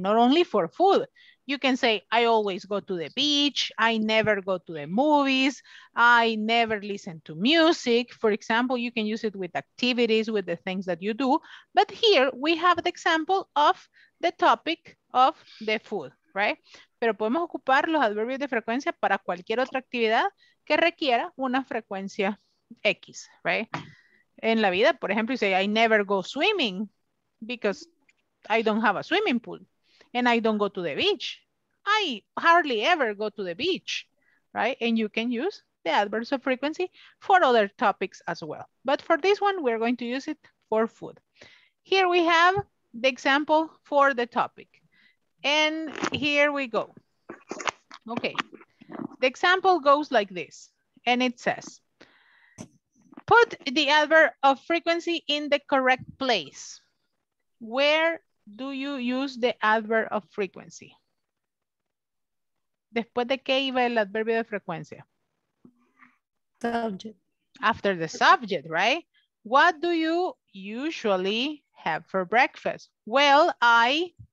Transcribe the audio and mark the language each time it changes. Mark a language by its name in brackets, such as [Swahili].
[English] Not only for food. You can say, I always go to the beach. I never go to the movies. I never listen to music. For example, you can use it with activities, with the things that you do. But here we have the example of the topic of the food, right? [Spanish] Pero podemos ocupar los adverbios de frecuencia para cualquier otra actividad que requiera una frecuencia X, right? En la vida, por ejemplo, [English] you say, I never go swimming because I don't have a swimming pool and I don't go to the beach. I hardly ever go to the beach, right? And you can use the adverbs of frequency for other topics as well. But for this one, we're going to use it for food. Here we have the example for the topic. And here we go. Okay. The example goes like this, and it says, put the adverb of frequency in the correct place. Where do you use the adverb of frequency? [Spanish] Después de qué iba el adverbio de frecuencia? [English] Subject. After the subject, right? What do you usually have for breakfast? Well, I